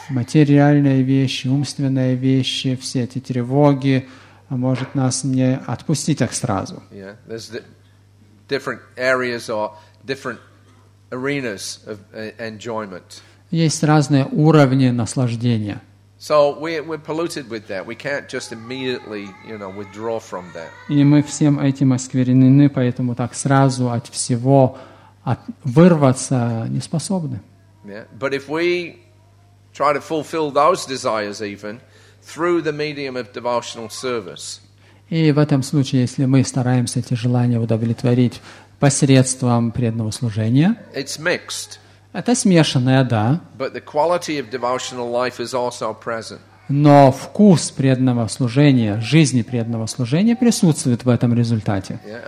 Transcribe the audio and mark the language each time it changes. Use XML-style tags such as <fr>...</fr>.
<ru>Материальные вещи, умственные вещи, все эти тревоги, а может нас не отпустить их сразу.</ru> <en>Yeah. Different areas or different arenas of enjoyment.</en> <ru>Есть разные уровни наслаждения.</ru> <en>So we're polluted with that. We can't just immediately, you know, withdraw from that.</en> <ru>И мы всем этим осквернены, поэтому так сразу от всего вырваться не способны.</ru> <en>Yeah. But if we try to fulfill those desires even through the medium of devotional service.</en> <ru>И в этом случае, если мы стараемся эти желания удовлетворить посредством преданного служения,</ru> <en>it's mixed.</en> <ru>Это смешанное, да.</ru> <en>But the quality of devotional life is also present.</en> <ru>Но вкус преданного служения, жизни преданного служения присутствует в этом результате.</ru>